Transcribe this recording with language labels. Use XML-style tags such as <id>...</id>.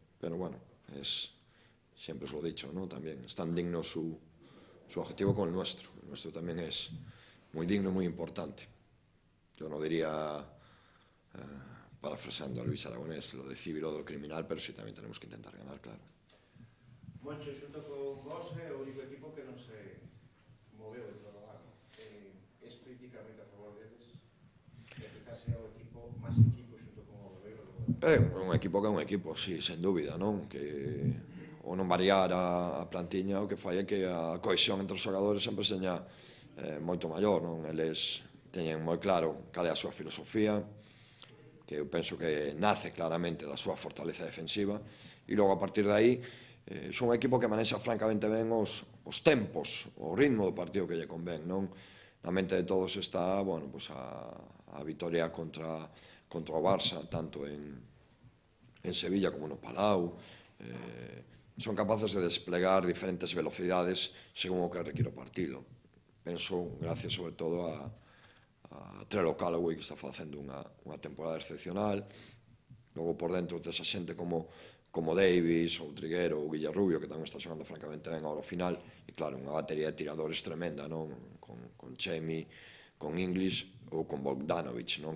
<es>Pero bueno, siempre os lo he dicho, ¿no? También es tan digno su objetivo como el nuestro. El nuestro también es muy digno y muy importante. Yo no diría, parafraseando a Luis Aragonés, lo de civil o de criminal, pero sí también tenemos que intentar ganar, claro.</es> <gl>Moncho, xunto con Gose, o único equipo que non se moveu en todo o ano. Es prácticamente a favor deles, que quizás sea o equipo, máis equipo xunto con o Obradoiro. Un equipo que é un equipo, sí, sen dúbida, non? Que o non variar a plantiña, o que fai é que a cohesión entre os xogadores sempre seña moito maior, non? Eles teñen moi claro cal é a súa filosofía, que eu penso que nace claramente da súa fortaleza defensiva, e logo a partir de aí é un equipo que manexa francamente ben os tempos, o ritmo do partido que lle convén, non? Na mente de todos está, bueno, pues a vitoria contra o Barça, tanto en Sevilla como no Palau. Son capaces de desplegar diferentes velocidades según o que requiere o partido. Penso, gracias sobre todo a Trelo Calloway, que está facendo unha temporada excepcional. Logo por dentro tes a xente como Davis, ou Triguero, ou Guillarrubio, que tamén está xogando francamente ben ahora o final. E claro, unha batería de tiradores tremenda, non? Con Chemi, con Inglis ou con Bogdanovic, non?</gl>